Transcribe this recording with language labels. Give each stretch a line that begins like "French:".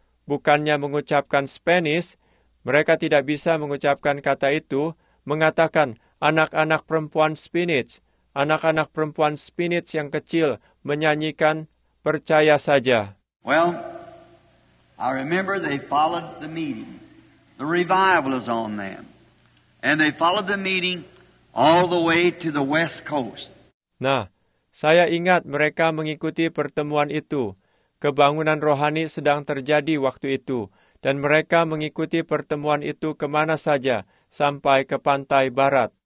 Indonesian: Bukannya mengucapkan Spanish, mereka tidak bisa mengucapkan kata itu, mengatakan anak-anak perempuan spinach, anak-anak perempuan spinach yang kecil menyanyikan percaya saja.
English: Well, I remember they followed the meeting. The revival is on them. And they followed the meeting all the way to the west coast.
Indonesian: Nah, saya ingat mereka mengikuti pertemuan itu. Kebangunan rohani sedang terjadi waktu itu. Dan mereka mengikuti pertemuan itu kemana saja, sampai ke pantai barat.